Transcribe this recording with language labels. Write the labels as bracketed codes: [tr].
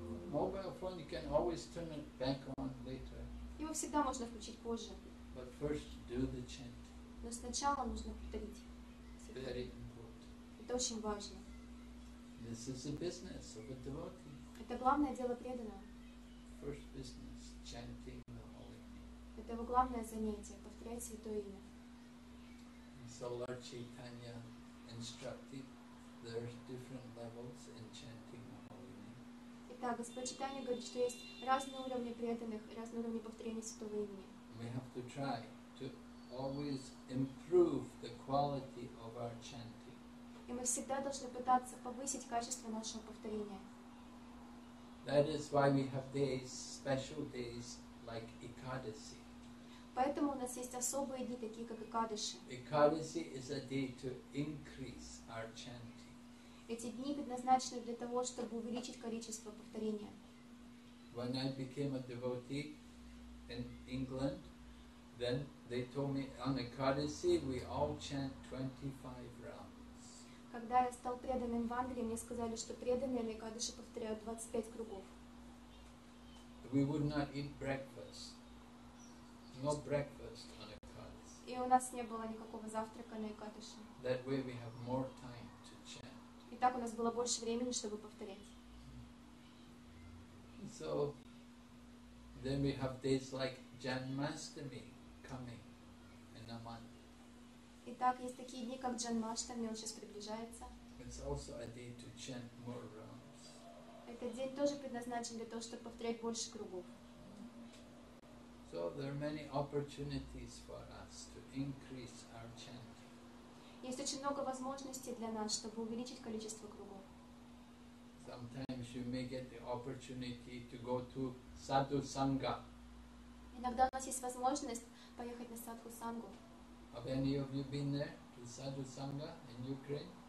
[en] Mobile phone, you can always turn it back on later. [ru] Его всегда можно включить позже. [en] But first do the chanting. [ru] Но сначала нужно повторить. [en] Very important. [ru] Это очень важно. [en] This is the business of a devotee. [ru] Это главное дело преданного. [en] First business, chanting the holy name. [ru] Это его главное занятие — повторять святое имя. [en] So Lord Chaitanya instructed there are different levels in chanting the holy name. [ru] Итак, Господь Чайтанья говорит, что есть разные уровни преданных, разные уровни повторения святого имени. [en] We have to try to always improve the quality of our chanting. [ru] И мы всегда должны пытаться повысить качество нашего повторения. [en] That is why we have days, special days like Ekadasi. [ru] Поэтому у нас есть особые дни, такие как Экадыши. [en] Ekadasi is a day to increase our chanting. [ru] Эти дни предназначены для того, чтобы увеличить количество повторения. [en] When I became a devotee in England, then they told me on Ekadasi we all chant 25 rounds. [ru] Когда я стал преданным в Англии, мне сказали, что преданные на Экадыши повторяют 25 кругов. [en] We would not eat breakfast. No breakfast on Ekadashi. [ru] И у нас не было никакого завтрака на Экадаши. [en] That way we have more time to chant. [ru] И так у нас было больше времени, чтобы повторять. [en] So then we have days like Janmashtami coming in a month. [ru] И так есть такие дни, как Джанмаштами, он сейчас приближается. [en] It's also a day to chant more rounds. [ru] Этот день тоже предназначен для того, чтобы повторять больше кругов. [en] So there are many opportunities for us to increase our chanting. [ru] Есть очень много возможностей для нас, чтобы увеличить количество кругов. [en] Sometimes you may get the opportunity to go to Sadhu Sangha. [ru] Иногда у нас есть возможность поехать на Sadhu Sangha. [en] Have any of you been there to Sadhu Sangha in Ukraine?